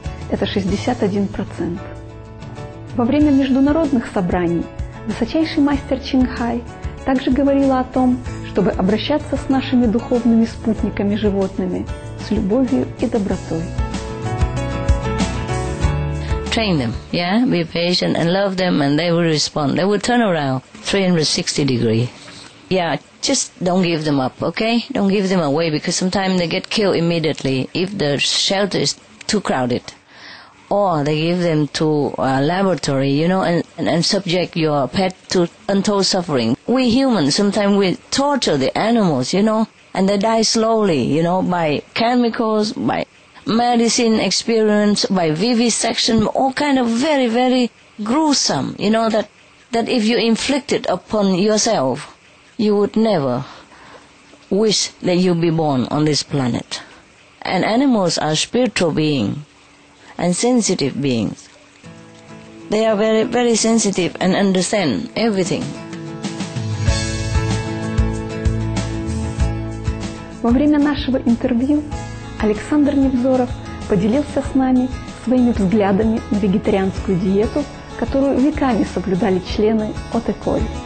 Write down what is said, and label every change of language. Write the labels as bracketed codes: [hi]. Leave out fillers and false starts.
[ru] Это 61%. Во время международных собраний высочайший мастер Чинхай также говорила о том, чтобы обращаться с нашими духовными спутниками-животными с любовью и добротой. [en] Train them, yeah? Be patient and love them and they will respond. They will turn around 360 degrees. Yeah, just don't give them up, okay? Don't give them away because sometimes they get killed immediately if the shelter is too crowded. Or they give them to a laboratory, you know, and subject your pet to untold suffering. We humans, sometimes we torture the animals, you know, and they die slowly, you know, by chemicals, by medicine experience, by vivisection, all kind of very, very gruesome, you know, that if you inflict it upon yourself, you would never wish that you be born on this planet. And animals are spiritual beings and sensitive beings. They are very, very sensitive and understand everything. [ru] Во время нашего интервью Александр Невзоров поделился с нами своими взглядами на вегетарианскую диету, которую веками соблюдали члены Отеколь.